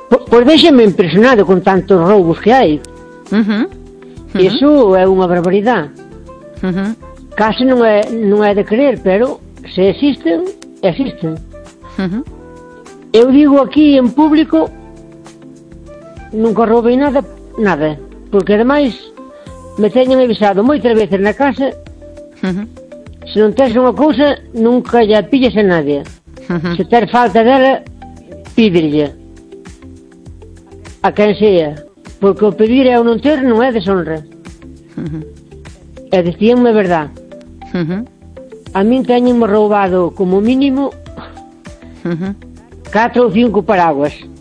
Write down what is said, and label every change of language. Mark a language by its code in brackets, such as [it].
[es] Pues déjeme impresionado con tantos robos que hay. Eso es una barbaridad. Casi no es de creer, pero si existen, existen. Yo digo aquí en público, nunca robé nada. [gl] Nada, porque ademais me teñen avisado moitas veces na casa. Se non tens unha cousa, nunca lle pillas a nadie. Se ter falta dela, pídelle a quen sea, porque o pedir é o non ter, non é deshonra. E dicíanme verdad. A min teñen roubado como mínimo 4 ou 5 paraguas.